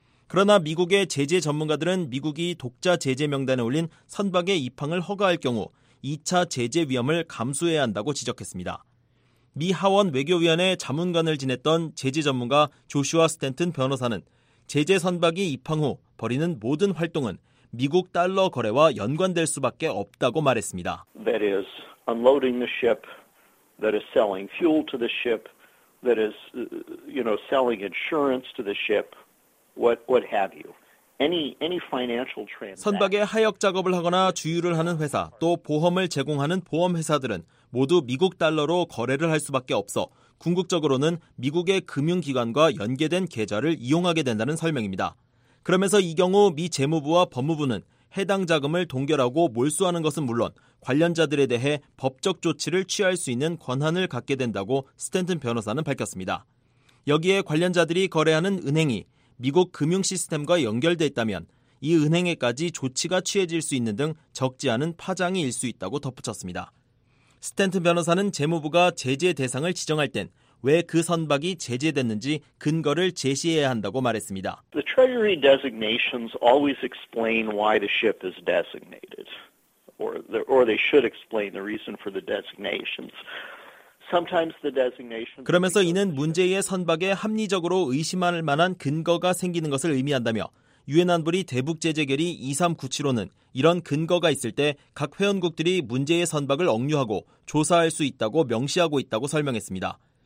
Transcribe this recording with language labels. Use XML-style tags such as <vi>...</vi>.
<ko>그러나 미국의 제재 전문가들은 미국이 독자 제재 명단에 올린 선박의 입항을 허가할 경우 2차 제재 위험을 감수해야 한다고 지적했습니다. 미 하원 외교위원회 자문관을 지냈던 제재 전문가 조슈아 스탠튼 변호사는 제재 선박이 입항 후 벌이는 모든 활동은 미국 달러 거래와 연관될 수밖에 없다고 말했습니다.</ko> <en>That is unloading the ship, that is selling fuel to the ship, that is, you know, selling insurance to the ship, what have you. Any financial transaction.</en> <ko>선박의 하역 작업을 하거나 주유를 하는 회사, 또 보험을 제공하는 보험 회사들은 모두 미국 달러로 거래를 할 수밖에 없어 궁극적으로는 미국의 금융기관과 연계된 계좌를 이용하게 된다는 설명입니다. 그러면서 이 경우 미 재무부와 법무부는 해당 자금을 동결하고 몰수하는 것은 물론 관련자들에 대해 법적 조치를 취할 수 있는 권한을 갖게 된다고 스탠튼 변호사는 밝혔습니다. 여기에 관련자들이 거래하는 은행이 미국 금융 시스템과 연결돼 있다면 이 은행에까지 조치가 취해질 수 있는 등 적지 않은 파장이 일 수 있다고 덧붙였습니다. 스탠튼 변호사는 재무부가 제재 대상을 지정할 땐 왜 그 선박이 제재됐는지 근거를 제시해야 한다고 말했습니다.</ko> <en>The Treasury designations always explain why the ship is designated, or they should explain the reason for the designations. Sometimes the designation.</en> <ko>그러면서 이는 문제의 선박에 합리적으로 의심할 만한 근거가 생기는 것을 의미한다며 유엔 안보리 대북 제재 결의 2397호는 이런 근거가 있을 때 각 회원국들이 문제의 선박을 억류하고 조사할 수 있다고 명시하고 있다고 설명했습니다.</ko>